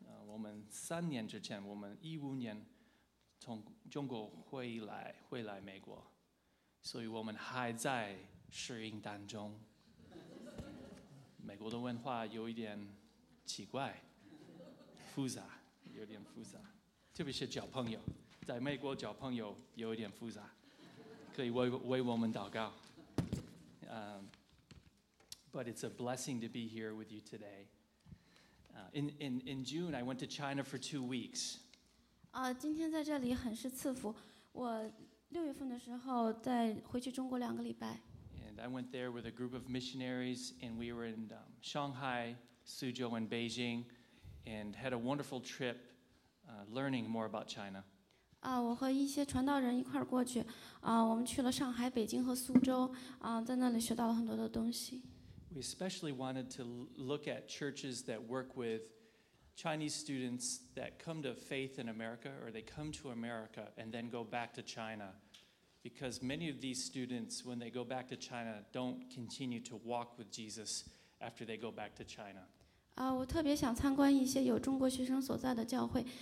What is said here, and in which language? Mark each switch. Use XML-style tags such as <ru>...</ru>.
<zh>我们三年之前，我们2015年从中国回来美国，所以我们还在适应当中。美国的文化有一点奇怪，复杂，有点复杂，特别是交朋友，在美国交朋友有一点复杂。可以为我们祷告。</zh> <en>But it's a blessing to be here with you today. In June, I went to China for 2 weeks.</en> <zh>今天在这里很是赐福。我六月份的时候再回去中国两个礼拜。</zh> <en>And I went there with a group of missionaries, and we were in Shanghai, Suzhou, and Beijing, and had a wonderful trip, learning more about China.</en> <zh>我和一些传道人一块过去。我们去了上海、北京和苏州。在那里学到了很多的东西。</zh> <en>We especially wanted to look at churches that work with Chinese students that come to faith in America, or they come to America and then go back to China. Because many of these students, when they go back to China, don't continue to walk with Jesus after they go back to China.</en> <zh>我特别想参观一些有中国学生所在的教会。</zh>